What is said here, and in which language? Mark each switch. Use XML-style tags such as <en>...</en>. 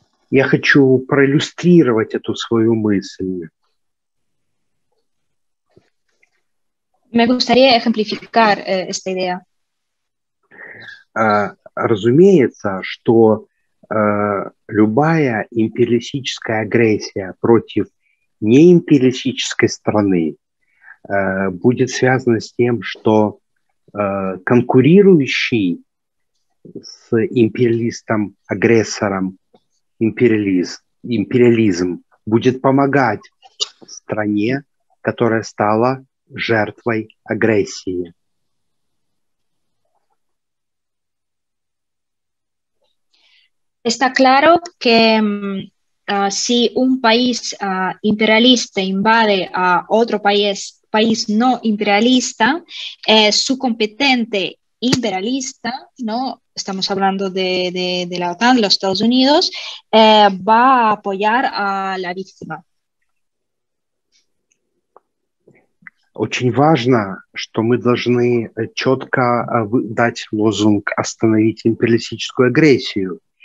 <ru>Я хочу проиллюстрировать эту свою мысль.</ru> <es>Me gustaría ejemplificar esta idea.</es> <ru>Разумеется, что любая империалистическая агрессия против неимпериалистической страны будет связана с тем, что конкурирующий с империалистом-агрессором империализм будет помогать стране, которая стала жертвой агрессии.</ru> <es>Está claro que si un país imperialista invade a otro país no imperialista, su competente imperialista, ¿no? Estamos hablando de la OTAN, los Estados Unidos, va a apoyar a la víctima.</es> <ru>Очень важно, что мы должны четко дать лозунг «Остановить империалистическую агрессию».</ru>